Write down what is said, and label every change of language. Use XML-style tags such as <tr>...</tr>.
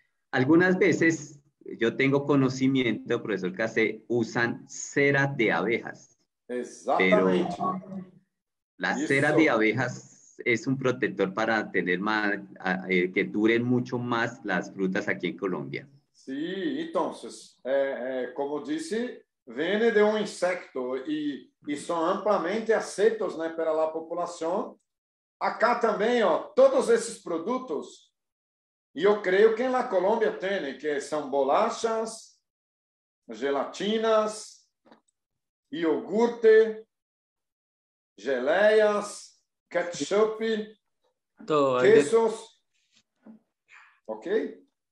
<pt>Algumas vezes, eu tenho conhecimento, professor Cassé, usam</pt> <es>cera de abejas.</es> <pt>Exatamente.</pt> <es>La cera de abejas es un protector para tener más, que duren mucho más las frutas aquí en Colombia. Sí, entonces, como dije,</es> <pt>vem de um insecto e são amplamente aceitos, né, pela população. Acá também, ó, todos esses produtos, e eu creio que na Colômbia tem, que são bolachas, gelatinas, iogurte, geleias, ketchup, queijos. Ok?</pt>